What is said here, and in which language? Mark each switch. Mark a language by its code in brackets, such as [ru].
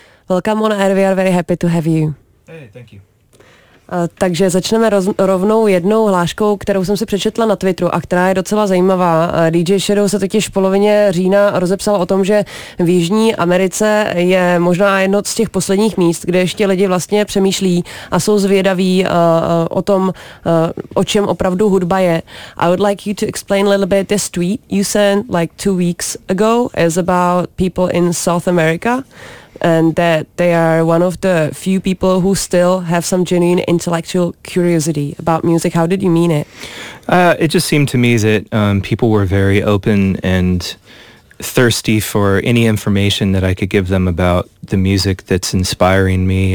[en] Welcome on air, we are very happy to have you. Hey, thank you. [cs] Takže začneme rovnou jednou hláškou, kterou jsem si přečetla na Twitteru a která je docela zajímavá. DJ Shadow se totiž v polovině října rozepsal o tom, že v Jižní Americe je možná jedno z těch posledních míst, kde ještě lidi vlastně přemýšlí a jsou zvědaví o tom, o čem opravdu hudba je. [en] I would like you to explain a little bit this tweet you sent like 2 weeks ago is about people in South America. And that they are one of the few people who still have some genuine intellectual curiosity about music. How did you mean it? It just seemed to me that people were very open and thirsty for any information that I could give them about the music that's inspiring me.